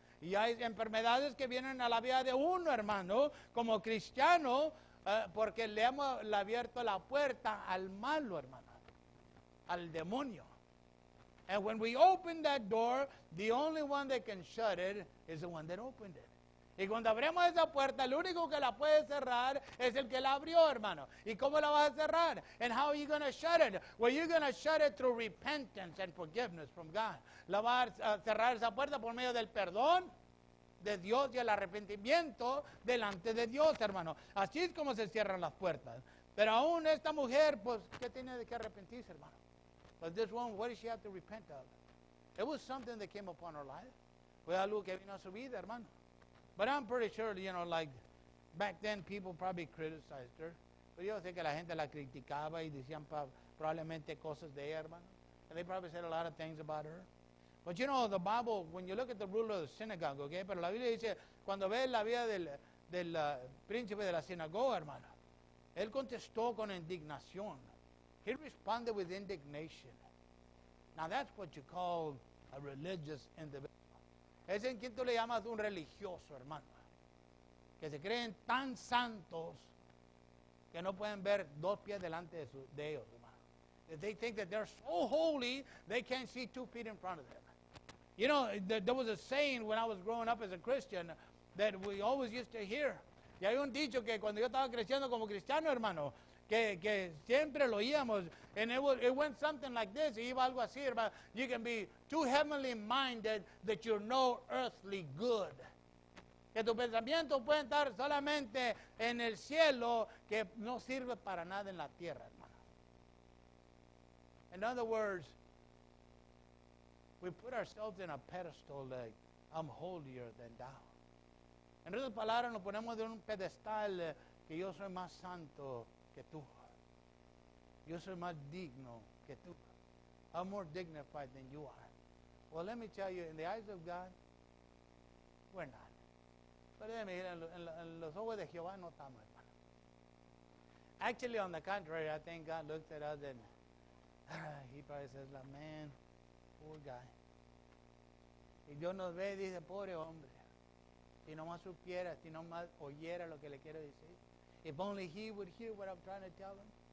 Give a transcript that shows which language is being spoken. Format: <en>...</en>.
<es>Y hay enfermedades que vienen a la vida de uno, hermano, como cristiano, porque le hemos abierto la puerta al malo, hermano, al demonio.</es> <en>And when we open that door, the only one that can shut it is the one that opened it.</en> <es>Y cuando abrimos esa puerta, el único que la puede cerrar es el que la abrió, hermano. ¿Y cómo la vas a cerrar?</es> <en>And how are you going to shut it? Well, you're going to shut it through repentance and forgiveness from God.</en> <es>La vas a cerrar esa puerta por medio del perdón de Dios y el arrepentimiento delante de Dios, hermano. Así es como se cierran las puertas. Pero aún esta mujer, pues, ¿qué tiene de qué arrepentirse, hermano?</es> <en>But this woman, what did she have to repent of? It was something that came upon her life.</en> <es>Fue algo que vino a su vida, hermano.</es> <en>But I'm pretty sure, you know, like, back then people probably criticized her.</en> <es>Pero yo sé que la gente la criticaba y decían probablemente cosas de ella, hermano.</es> <en>And they probably said a lot of things about her. But you know, the Bible, when you look at the ruler of the synagogue, okay,</en> <es>pero la Biblia dice, cuando ve la vida del príncipe de la sinagoga, hermano, él contestó con indignación.</es> <en>He responded with indignation. Now that's what you call a religious individual.</en> <es>Es en quien tú le llamas un religioso, hermano, que se creen tan santos que no pueden ver dos pies delante de ellos, hermano.</es> <en>They think that they're so holy, they can't see 2 feet in front of them. You know, there was a saying when I was growing up as a Christian that we always used to hear.</en> <es>Y hay un dicho que cuando yo estaba creciendo como cristiano, hermano, que siempre lo oíamos.</es> <en>And it went something like this.</en> <es>Iba algo así, hermano.</es> <en>You can be too heavenly minded that you're no earthly good.</en> <es>Que tu pensamiento puede estar solamente en el cielo que no sirve para nada en la tierra, hermano.</es> <en>In other words, we put ourselves in a pedestal like I'm holier than thou.</en> <es>En otras palabras, nos ponemos en un pedestal que yo soy más santo que tú. Yo soy más digno que tú.</es> <en>I'm more dignified than you are. Well, let me tell you, in the eyes of God, we're not.</en> <es>Pero déjame decir, en los ojos de Jehová no estamos, hermano.</es> <en>Actually, on the contrary, I think God looked at us and he probably says, like, man, poor guy.</en> <es>Y Dios nos ve y dice, pobre hombre, si nomás supiera, si nomás oyera lo que le quiero decir.</es> <en>If only he would hear what I'm trying to tell him,</en>